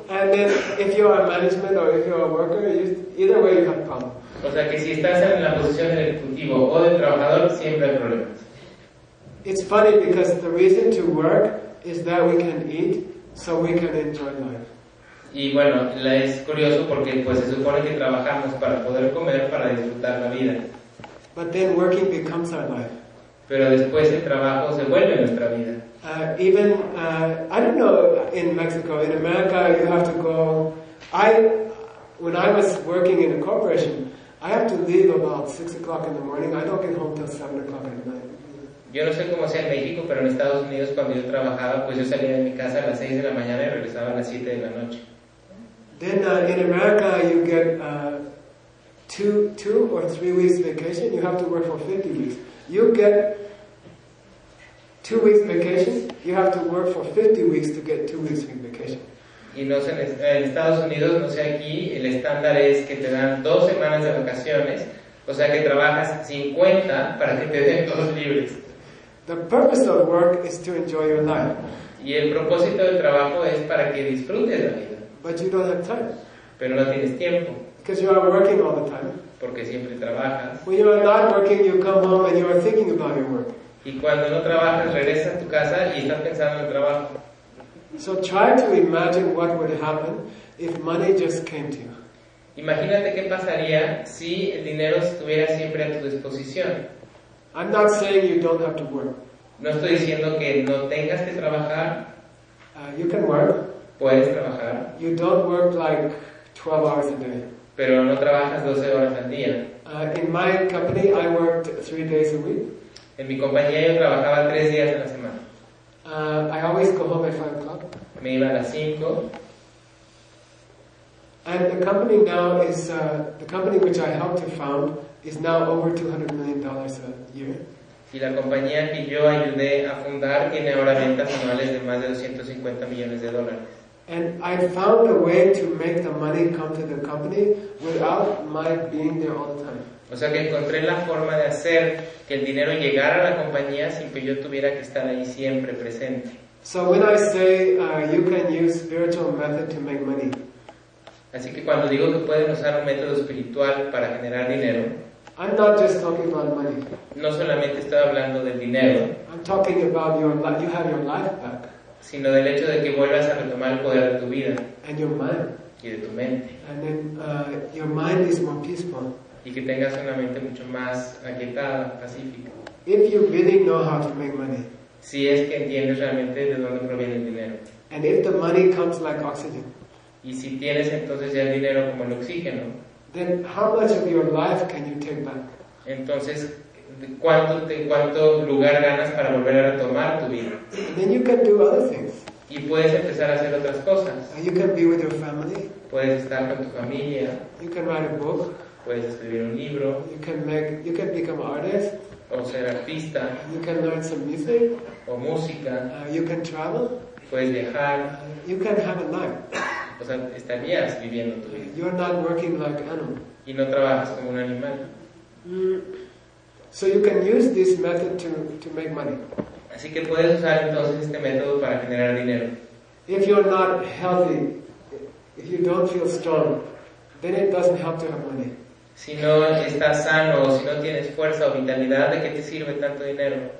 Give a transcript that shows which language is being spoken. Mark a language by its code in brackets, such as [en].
[en] And then if you are management or if you are a worker, either way you have problems. [es] O sea que si estás en la posición del ejecutivo o del trabajador, siempre hay problemas. [en] It's funny because the reason to work is that we can eat, so we can enjoy life. [es] Y bueno, es curioso porque pues se supone que trabajamos para poder comer, para disfrutar la vida. [en] But then working becomes our life. [es] Pero después el trabajo se vuelve nuestra vida. [en] I don't know, in Mexico, in America, you have to go... When I was working in a corporation, I have to leave about 6 o'clock in the morning. I don't get home till 7 o'clock at night. [es] Yo no sé cómo sea en México, pero en Estados Unidos cuando yo trabajaba, pues yo salía de mi casa a las 6 de la mañana y regresaba a las 7 de la noche. [en] Then in America you get 2 or 3 weeks vacation. You have to work for 50 weeks. You get 2 weeks vacation, you have to work for 50 weeks to get 2 weeks in vacation. [es] Y no sé, en Estados Unidos, no sé aquí, el estándar es que te dan 2 semanas de vacaciones, o sea que trabajas 50 para que te den 2 libres. [en] The purpose of work is to enjoy your life. [es] Y el propósito del trabajo es para que disfrutes la vida. [en] But you don't have time. [es] Pero no tienes tiempo. [en] Because you are working all the time. [es] Porque siempre trabajas. [en] When you are not working, you come home and you are thinking about your work. [es] Y cuando no trabajas, regresas a tu casa y estás pensando en el trabajo. [en] So try to imagine what would happen if money just came to you. [es] Imagínate qué pasaría si el dinero estuviera siempre a tu disposición. [en] I'm not saying you don't have to work. [es] No estoy diciendo que no tengas que trabajar. [en] You can work. [es] Puedes trabajar. [en] You don't work like 12 hours a day. [es] Pero no trabajas 12 horas al día. [en] In my company, I worked 3 days a week. [es] En mi compañía yo trabajaba 3 días a la semana. [en] I always go home at 5 o'clock. [es] Me iba a las 5. [en] And the company now is the company which I helped to found is now over $200 million a year. [es] Y la compañía que yo ayudé a fundar tiene ahora ventas anuales de más de $250 millones. [en] And I found a way to make the money come to the company without my being there all the time. [es] O sea que encontré la forma de hacer que el dinero llegara a la compañía sin que yo tuviera que estar ahí siempre presente. [en] So when I say you can use spiritual method to make money. [es] Así que cuando digo que pueden usar un método espiritual para generar dinero, [en] I'm not just talking about money. [es] No solamente estoy hablando del dinero. [en] I'm talking about your life. You have your life back. [es] Sino del hecho de que vuelvas a retomar el poder de tu vida. [en] And your mind. [es] Y de tu mente. [en] And then your mind is more peaceful. [es] Y que tengas una mente mucho más aquietada, pacífica. [en] If you really know how to make money. [es] Si es que entiendes realmente de dónde proviene el dinero. [en] And if the money comes like oxygen. [es] Y si tienes entonces ya el dinero como el oxígeno. [en] Then how much of your life can you take back? [es] Entonces, ¿cuánto lugar ganas para volver a retomar tu vida? [en] Then you can do other things. [es] Y puedes empezar a hacer otras cosas. [en] You can be with your family. [es] Puedes estar con tu familia. [en] You can write a book. [es] Puedes escribir un libro. [en] You can become an artist. [es] O ser artista. [en] You can learn some music. [es] O música. [en] You can travel. [es] Puedes viajar. [en] You can have a life. [es] O sea, estarías viviendo tu vida. [en] You're not working like animal. [es] Y no trabajas como un animal. [en] So you can use this method to make money. [es] Así que puedes usar entonces este método para generar dinero. [en] If you're not healthy, if you don't feel strong, then it doesn't help to have money. [es] Si no estás sano o si no tienes fuerza o vitalidad, ¿de qué te sirve tanto dinero?